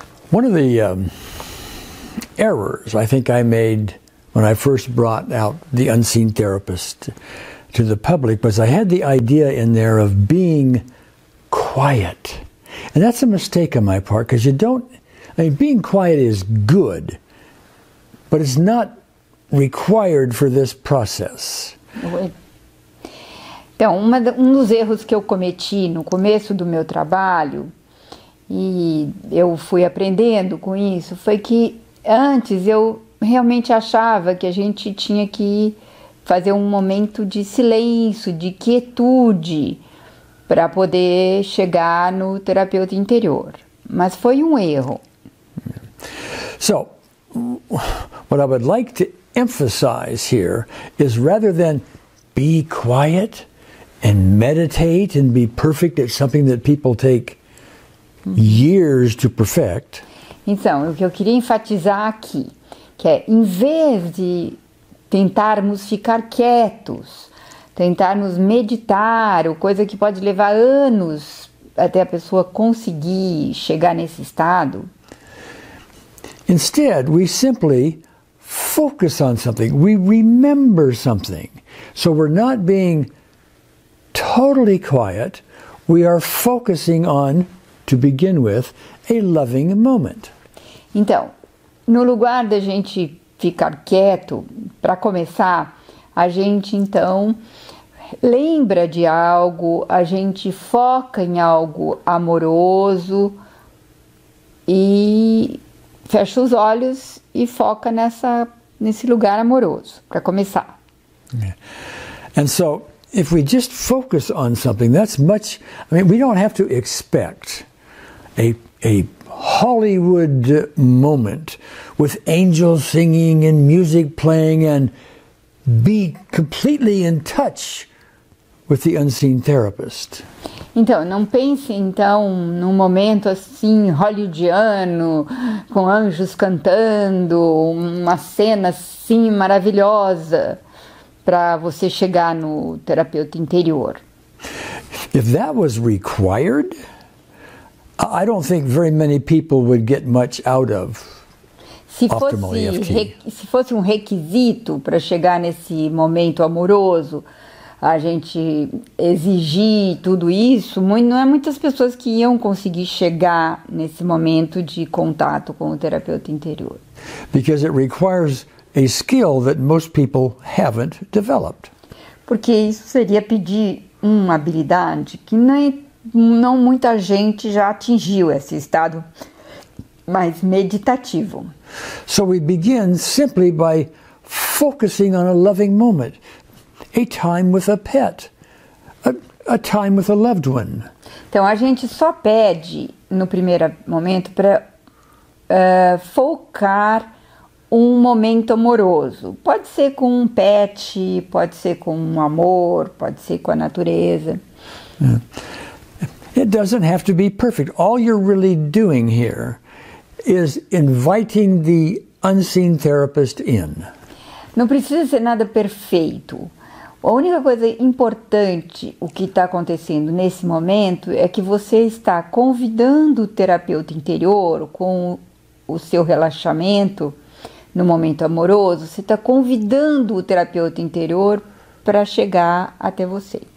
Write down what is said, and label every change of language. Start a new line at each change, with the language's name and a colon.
English: One of the errors I think I made when I first brought out the unseen therapist to the public was I had the idea in there of being quiet. And that's a mistake on my part because you don't, I mean, being quiet is good, but it's not required for this process.
Portuguese: Então, um dos erros que eu cometi no começo do meu trabalho, e eu fui aprendendo com isso, foi que antes eu realmente achava que a gente tinha que fazer um momento de silêncio, de quietude, para poder chegar no terapeuta interior. Mas foi um erro.
English: So, what I would like to emphasize here is rather than be quiet and meditate and be perfect at something that people take years to perfect.
Portuguese: Então, o que eu queria enfatizar aqui, que é em vez de tentarmos ficar quietos, tentarmos meditar, ou coisa que pode levar anos até a pessoa conseguir chegar nesse estado.
English: Instead, we simply focus on something. We remember something. So we're not being totally quiet. We are focusing on, to begin with, a loving moment.
Portuguese: Então, no lugar da gente ficar quieto, para começar, a gente então lembra de algo, a gente foca em algo amoroso e fecha os olhos e foca nesse lugar amoroso, para começar.
English: And so, if we just focus on something, that's much. I mean, we don't have to expect a Hollywood moment with angels singing and music playing and be completely in touch with the unseen therapist.
Portuguese: Então, não pense então num momento assim hollywoodiano, com anjos cantando, uma cena assim maravilhosa para você chegar no terapeuta interior.
English: If that was required, I don't think very many people would get much out of
Portuguese: Se
English: optimal EFT.
Portuguese: fosse um requisito para chegar nesse momento amoroso, a gente exigir tudo isso, não é muitas pessoas que iam conseguir chegar nesse momento de contato com o terapeuta interior.
English: Because it requires a skill that most people haven't developed.
Portuguese: Porque isso seria pedir uma habilidade que não muita gente já atingiu esse estado mais meditativo.
English: So we begin simply by focusing on a loving moment, a time with a pet, a time with a loved one.
Portuguese: Então, a gente só pede no primeiro momento para focar um momento amoroso. Pode ser com um pet, pode ser com um amor, pode ser com a natureza.
English: It doesn't have to be perfect. All you're really doing here is inviting the unseen therapist in.
Portuguese: Não precisa ser nada perfeito. A única coisa importante, o que está acontecendo nesse momento, é que você está convidando o terapeuta interior, com o seu relaxamento no momento amoroso, você está convidando o terapeuta interior para chegar até você.